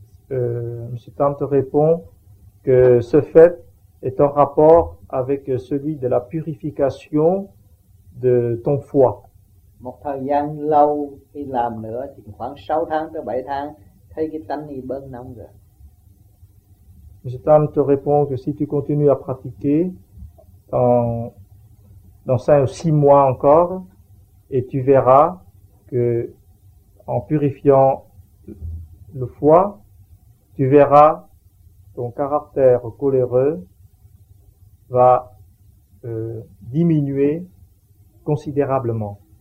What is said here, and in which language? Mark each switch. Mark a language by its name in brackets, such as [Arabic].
[French] Monsieur Tam te répond que ce fait est en rapport avec celui de la purification de ton foie. [Vietnamese] Một thời gian lâu y làm nữa, thì khoảng 6 tháng tới 7 tháng, thấy cái tánh y bớt nóng rồi. [French] Monsieur Tam te répond que si tu continues à pratiquer dans 5 ou 6 mois encore, et tu verras que en purifiant le foie, tu verras ton caractère coléreux va diminuer considérablement.